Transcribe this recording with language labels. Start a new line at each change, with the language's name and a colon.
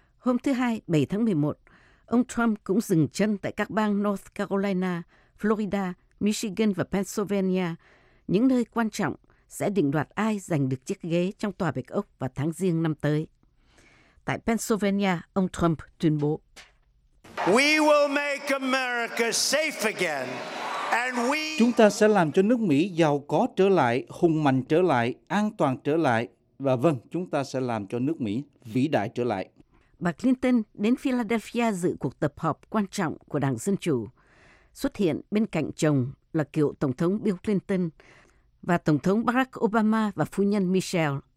Vietnamese: Hôm thứ Hai, 7 tháng 11, ông Trump cũng dừng chân tại các bang North Carolina, Florida, Michigan và Pennsylvania, những nơi quan trọng sẽ định đoạt ai giành được chiếc ghế trong Tòa Bạch Ốc vào tháng Giêng năm tới. Tại Pennsylvania, ông Trump tuyên bố.
English: We will make America safe again.
Vietnamese: Chúng ta sẽ làm cho nước Mỹ giàu có trở lại, hùng mạnh trở lại, an toàn trở lại. Và vâng, chúng ta sẽ làm cho nước Mỹ vĩ đại trở lại. Bà Clinton đến Philadelphia dự cuộc tập họp quan trọng của Đảng Dân Chủ. Xuất hiện bên cạnh chồng là cựu Tổng thống Bill Clinton và Tổng thống Barack Obama và phu nhân Michelle.